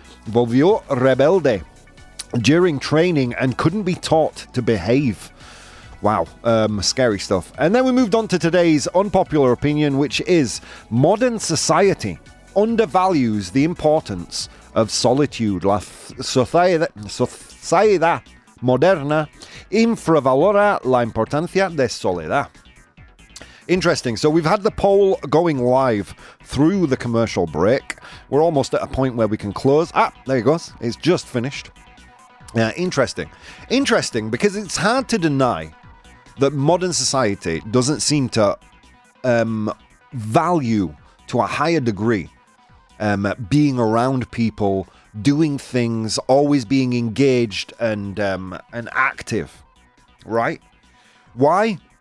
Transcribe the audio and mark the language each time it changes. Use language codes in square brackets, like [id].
[es] Volvió rebelde [en] during training and couldn't be taught to behave. Wow, scary stuff. And then we moved on to today's unpopular opinion, which is modern society undervalues the importance of solitude. [es] La sociedad moderna infravalora la importancia de soledad. [en] Interesting. So we've had the poll going live through the commercial break. We're almost at a point where we can close. Ah, there it goes. It's just finished. Yeah, interesting. Interesting, because it's hard to deny that modern society doesn't seem to value to a higher degree being around people, doing things, always being engaged and active, right? Why?